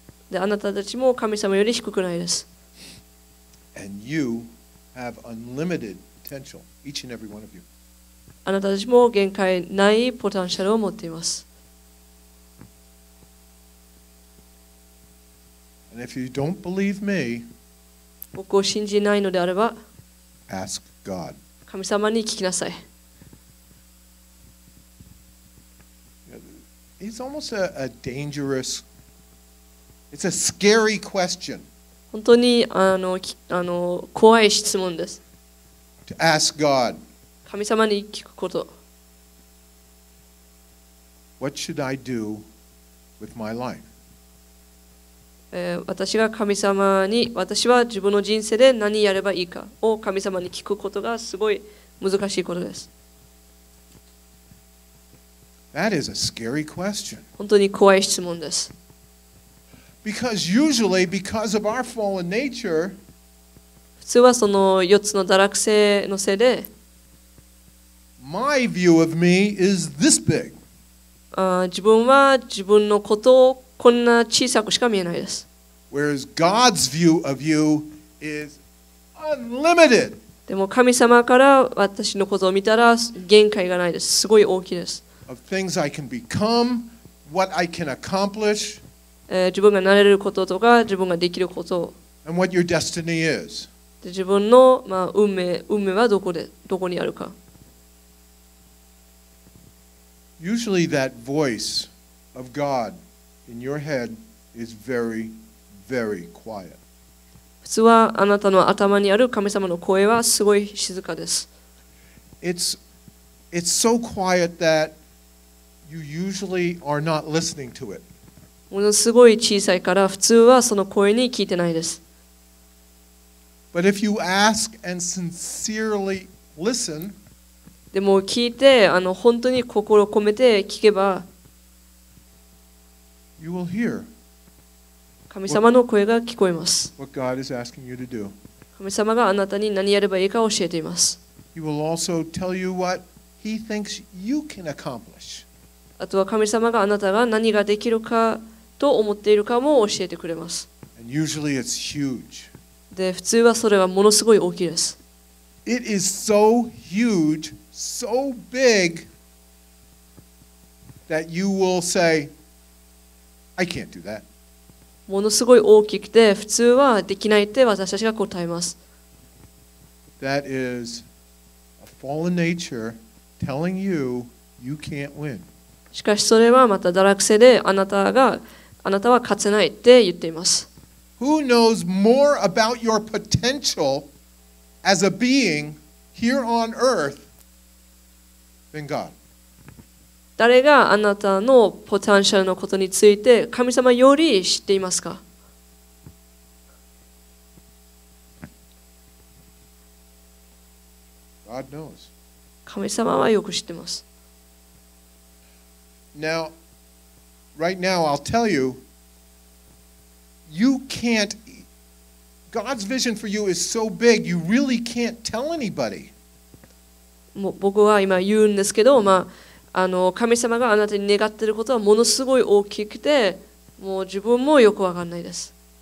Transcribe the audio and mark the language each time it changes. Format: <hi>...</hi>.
<ja>で、あなたたちも神様より低くないです。</ja> <en>And you have unlimited potential, each and every one of you.</en> <ja>あなたたちも限界ないポテンシャルを持っています。</ja> <en>And if you don't believe me,</en> <ja>僕を信じないのであれば、</ja> <en>ask God.</en> <ja>神様に聞きなさい。</ja> <en>It's almost a dangerous, it's a scary question.</en> <ja>本当にあの怖い質問です。</ja> <en>To ask God.</en> <ja>神様に聞くこと。</ja> <en>What should I do with my life.</en> <ja>私が神様に、私は自分の人生で何やればいいかを神様に聞くことがすごい難しいことです。</ja> <en>That is a scary question.</en> <ja>本当に怖い質問です。</ja> <en>Because usually, because of our fallen nature,</en> <ja>普通はその四つの堕落性のせいで、</ja> <en>My view of me is this big.</en> <ja>自分は自分のことをこんな小さくしか見えないです。</ja> <en>Whereas God's view of you is unlimited.</en> <ja>でも神様から私のことを見たら限界がないです。すごい大きいです。</ja> <en>Of things I can become, what I can accomplish.</en> <ja>自分がなれることとか自分ができること。</ja> <en>And what your destiny is.</en> <ja>で自分のまあ運命はどこにあるか。</ja> <en>Usually that voice of God. In your head is very, very quiet.</en> <ja>普通はあなたの頭にある神様の声はすごい静かです。</ja> <en>It's so quiet that you usually are not listening to it.</en> <ja>ものすごい小さいから普通はその声に聞いてないです。</ja> <en>But if you ask and sincerely listen,</en> <ja>でも聞いて本当に心を込めて聞けば。</ja> <en>You will hear.</en> <ja>神様の声が聞こえます。</ja> <en>What God is asking you to do.</en> <ja>神様があなたに何やればいいか教えています。</ja> <en>He will also tell you what he thinks you can accomplish.</en> <ja>あとは神様があなたが何ができるかと思っているかも教えてくれます。</ja> <en>And usually it's huge.</en> <ja>で、普通はそれはものすごい大きいです。</ja> <en>It is so huge, so big that you will say,I can't do that.</en> <ja>ものすごい大きくて普通はできないって私たちが答えます。</ja> <en>That is a fallen nature telling you you can't win.</en> <ja>しかしそれはまた堕落性であなたは勝てないって言っています。</ja> <en>Who knows more about your potential as a being here on earth than God?</en> <ja>誰があなたのポテンシャルのことについて神様より知っていますか?</ja> <en>God knows.</en> <ja>神様はよく知ってます。</ja> <en>Now, right now, I'll tell you, you can't, God's vision for you is so big, you really can't tell anybody.</en> <ja>僕は今言うんですけど、まあ神様があなたに願っていることはものすごい大きくて、もう自分もよくわかんないです。</ja>